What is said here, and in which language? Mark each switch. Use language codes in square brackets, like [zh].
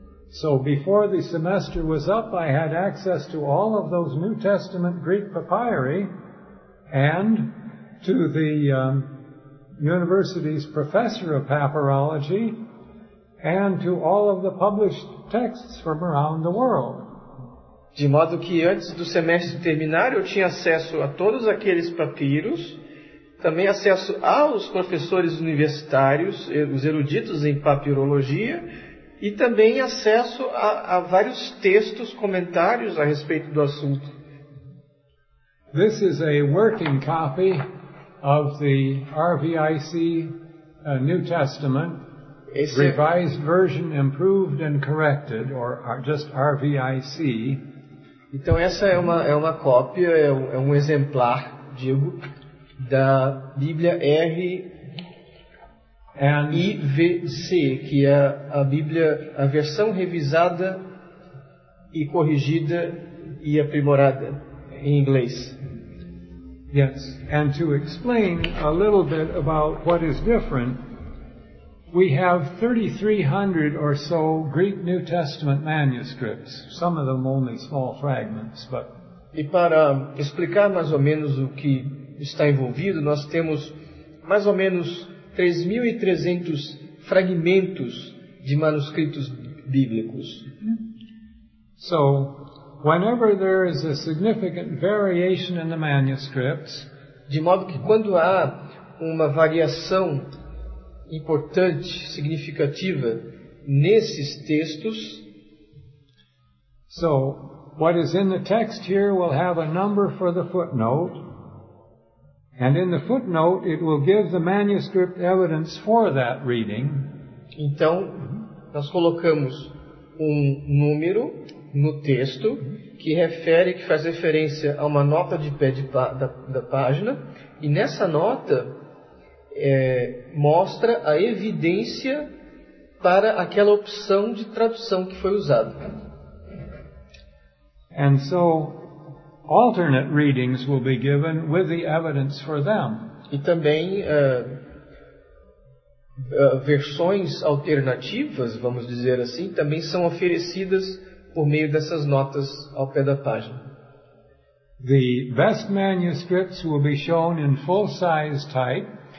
[en] So before the semester was up, I had access to all of those New Testament Greek papyri and to the university's professor of papyrology and to all of the published texts from around the world. [pt] De modo que antes do semestre terminar, eu tinha acesso a todos aqueles papiros, também acesso aos professores universitários, os eruditos em papirologia, e também acesso a vários textos, comentários a respeito do assunto. [en] This is a working copy of the RVIC New Testament, Revised Version Improved and Corrected, or just RVIC. [pt] Então essa é uma cópia, é um exemplar, digo, da Bíblia RIVC, que é a Bíblia, a versão revisada e corrigida e aprimorada em inglês. [en] Yes, and to explain a little bit about what is different, we have 3,300 or so Greek New Testament manuscripts, some of them only small fragments, but... [pt] E para explicar mais ou menos o que está envolvido, nós temos mais ou menos 3,300 fragmentos de manuscritos bíblicos. [en] So, whenever there is a significant variation in the manuscripts, [pt] de modo que quando há uma variação importante, significativa nesses textos, [en] so what is in the text here will have a number for the footnote. And in the footnote, it will give the manuscript evidence for that reading. [pt] Então, nós colocamos um número no texto que faz referência a uma nota de pé da página. E nessa nota, mostra a evidência para aquela opção de tradução que foi usada. [en] And so... alternate readings will be given with the evidence for them. [pt] E também versões alternativas, vamos dizer assim, também são oferecidas por meio dessas notas ao pé da página. [en] The best manuscripts will be shown in full-size type.